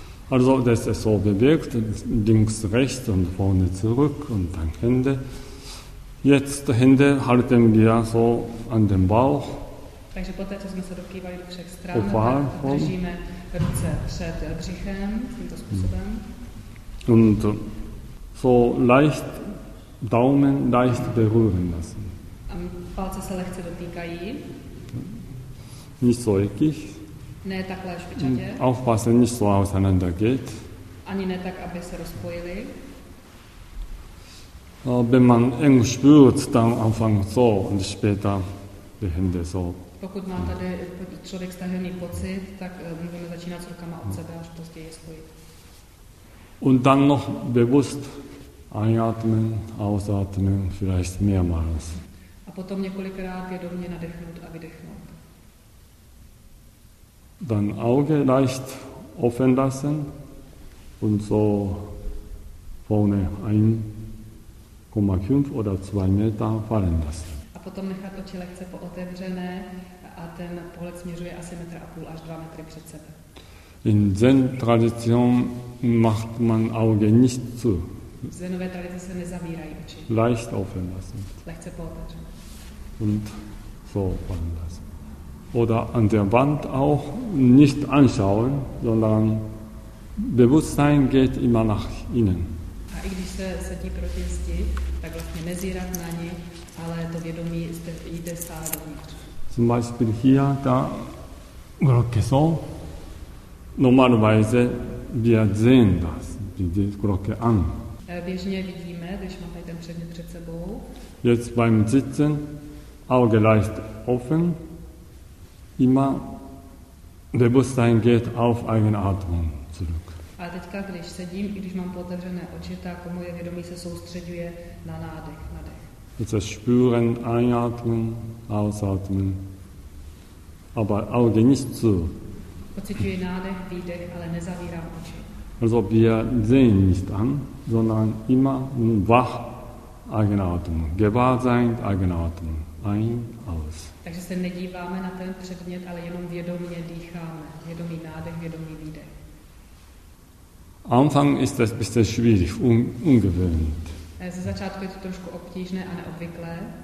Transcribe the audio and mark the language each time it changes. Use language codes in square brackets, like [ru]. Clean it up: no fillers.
[de] Also das ist so bewirkt, links, rechts und vorne zurück und dann Hände. Jetzt Hände halten wir so an dem Bauch. [cs] Takže poté, co jsme se dokývali do všech stran, tak držíme ruce před břichem tímto způsobem. [de] Und so leicht Daumen leicht berühren lassen. [cs] A palce se lehce dotýkají. [de] Nicht so eckig. [cs] Ne takhle špičatě. [de] Aufpassen, nicht so auseinander geht. [cs] Ani ne tak, aby se rozpojili. [de] Wenn man eng spürt, dann anfangen so und später die Hände so. [cs] Pokud má tady člověk stažený pocit, tak můžeme začínat s rukama od sebe, až později je spojit. [de] Und dann noch bewusst einatmen, ausatmen, vielleicht mehrmals. [cs] A potom několikrát vědomě nadechnout a vydechnout. [de] Dann Auge leicht offen lassen und so vorne 1,5 oder 2 Meter fallen lassen. [cs] A potom nechat oči lehce pootevřené, a ten pohled směřuje asi 1,5 až 2 metry před sebe. [de] In Zen Tradition macht man Auge nicht zu. [cs] V Zenové tradici se nezavírají oči. [de] Leicht offen lassen. [cs] Lehce pootevřené. [de] Und so fallen lassen. Oder an der Wand auch nicht anschauen, sondern Bewusstsein geht immer nach innen. [cs] A i když se sedí proti zdi, tak vlastně nezírat na ní, ale to vědomí jde stále dovnitř. [de] Zum Beispiel hier, da, Glocke so. Normalerweise, wir sehen das, die Glocke an. [cs] Běžně vidíme, když máme ten předmět před sebou. [de] Jetzt beim Sitzen, Auge leicht offen, immer Bewusstsein geht auf eigene Atmung zurück. [cs] A teďka, když sedím, i když mám otevřené oči, tak moje vědomí se soustředuje na nádech. [de] Jetzt das Spüren, Einatmen, Ausatmen, aber Auge nicht zu. [cs] Pociťuji nádech, výdech, ale nezavírám oči. [de] Also wir sehen nicht an, sondern immer wach, eigene Atmung. Gewahr sein, eigene Atmung. Ein, aus. [cs] Takže se nedíváme na ten předmět, ale jenom vědomě dýcháme. Vědomý nádech, vědomý výdech. [de] Anfang ist das ein bisschen schwierig, ungewöhnlich. [cs] Ze začátku je to trošku obtížné a neobvyklé.